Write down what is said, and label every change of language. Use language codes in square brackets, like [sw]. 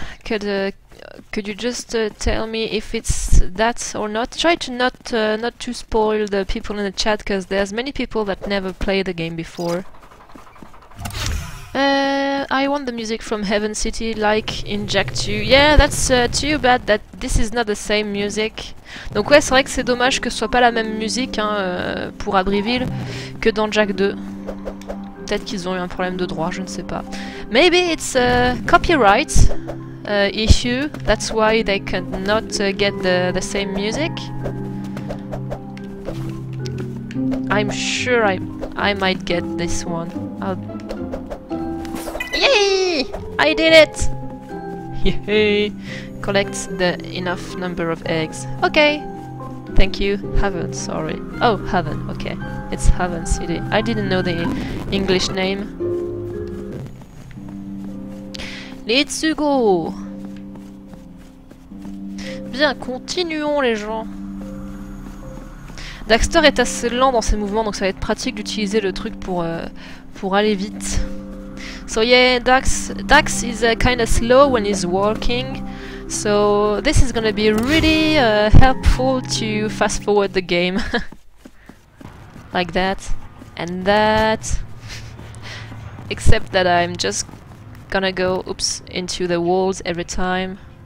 [en] Could you just tell me if it's that or not? Try to not to spoil the people in the chat, because there's many people that never played the game before. I want the music from Heaven City, like in Jack 2. Yeah, that's too bad that this is not the same music. [fr] Donc ouais, c'est vrai que c'est dommage que ce soit pas la même musique hein, pour Abbeville que dans Jack 2. Peut-être qu'ils ont eu un problème de droit, je ne sais pas. [en] Maybe it's a copyright issue, that's why they could not get the same music. I'm sure I might get this one. Yay! I did it! Yay! Collect the enough number of eggs. Okay! Thank you. Heaven, sorry. Oh, Heaven, okay. It's Heaven City. I didn't know the English name. Let's go! [fr] Bien, continuons les gens! Daxter est assez lent dans ses mouvements, donc ça va être pratique d'utiliser le truc pour aller vite. [en] So yeah, Dax is kind of slow when he's walking, so this is gonna be really helpful to fast forward the game. Like that, and that, except that I'm just gonna go, oops, into the walls every time.